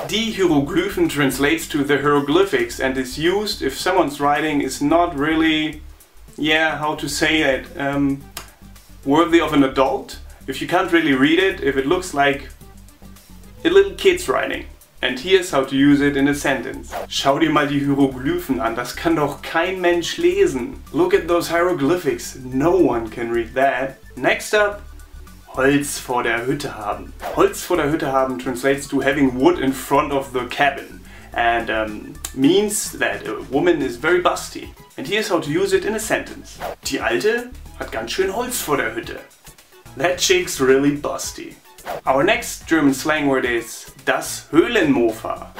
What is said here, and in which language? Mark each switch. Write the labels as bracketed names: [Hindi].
[English] Die Hieroglyphen translates to the hieroglyphics and is used if someone's writing is not really, yeah, how to say it, worthy of an adult. If you can't really read it, if it looks like a little kid's writing. And here's how to use it in a sentence. [German] Schau dir mal die Hieroglyphen an, das kann doch kein Mensch lesen. [English] Look at those hieroglyphics, no one can read that. Next up, [German] Holz vor der Hütte haben. [English] Holz vor der Hütte haben translates to having wood in front of the cabin and means that a woman is very busty. And here's how to use it in a sentence. [German] Die Alte hat ganz schön Holz vor der Hütte. [English] That chick's really busty. Our next German slang word is das Höhlenmofa.